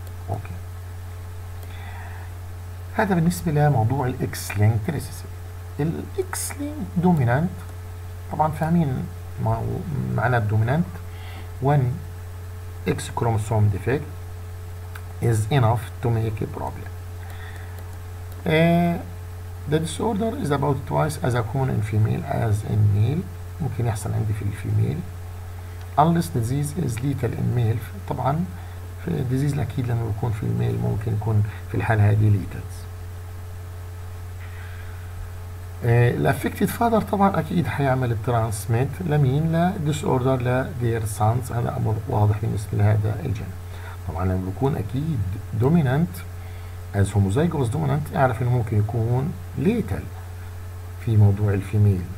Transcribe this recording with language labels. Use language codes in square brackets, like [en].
[ar] اوكي، هذا بالنسبه لموضوع الاكس لينك ريسيسيف. الاكس لينك دوميننت طبعا فاهمين معنى الدوميننت، وان اكس كروموسوم ديفكت is enough to make a problem. [en] The disorder is about twice as common in female as in male. [ar] ممكن يحصل عندي في الفيميل. [en] Unless disease is lethal in male. [ar] طبعا في disease الأكيد لما يكون في الميل ممكن يكون في الحالة هذه lethal. الaffected father طبعا أكيد حيعمل transmit لمين؟ لا disorder لا their sons. هذا أمر واضح بالنسبة لهذا الجانب. طبعا لما بيكون اكيد دوميننت از هوموزايجوس دوميننت اعرف انه ممكن يكون ليتل في موضوع الفيميل.